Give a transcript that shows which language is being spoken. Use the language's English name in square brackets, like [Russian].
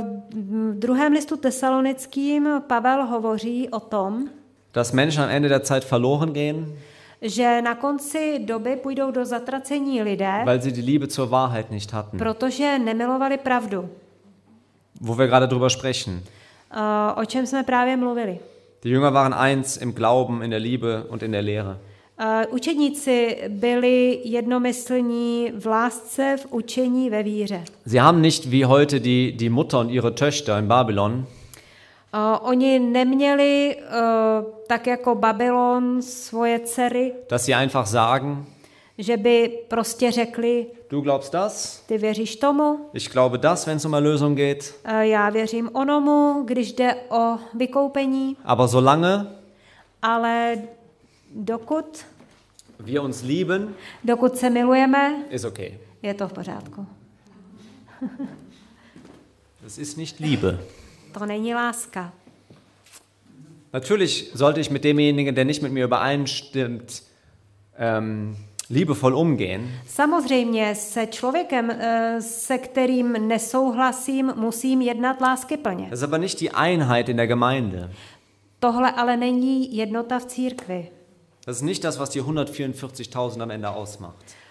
[Czech] V druhém listu Tesalonickým Pavel hovoří o tom, [German] dass Menschen am Ende der Zeit verloren gehen. [Czech] Že na konci doby půjdou do zatracení lidé, [German] weil sie die Liebe zur Wahrheit nicht hatten. [Czech] Protože nemilovali pravdu. [German] Wo wir gerade drüber sprechen. [Czech] O čem jsme právě mluvili. [German] Die Jünger waren eins im Glauben, in der Liebe und in der Lehre. [Czech] Učedníci byli jednomyslní v lásce, v učení, ve víře. [German] Sie haben nicht wie heute die Mutter und ihre Töchter in Babylon. [Czech] Oni neměli tak jako Babylon svoje dcery. [German] Dass sie einfach sagen. [Czech] Že by prostě řekli. [German] Du glaubst das? [Czech] Ty věříš tomu? [German] Ich glaube das, wenn es um Erlösung geht. [Czech] Já věřím onomu, když jde o vykoupení. [German] Aber solange. [Czech] Ale dokud. [German] Wir uns lieben. [Czech] Dokud se milujeme. [German] Ist okay. [Czech] Je to v pořádku. [German] Das ist nicht Liebe. [Czech] To není láska. [German] Natürlich sollte ich mit demjenigen, der nicht mit mir übereinstimmt, liebevoll umgehen. [Czech] Samozřejmě se člověkem, se kterým nesouhlasím, musím jednat láskyplně. [German] Das ist aber nicht die Einheit in der Gemeinde. [Czech] Tohle ale není jednota v církvi. [German] Das ist nicht das, was die 144.000 am Ende ausmacht.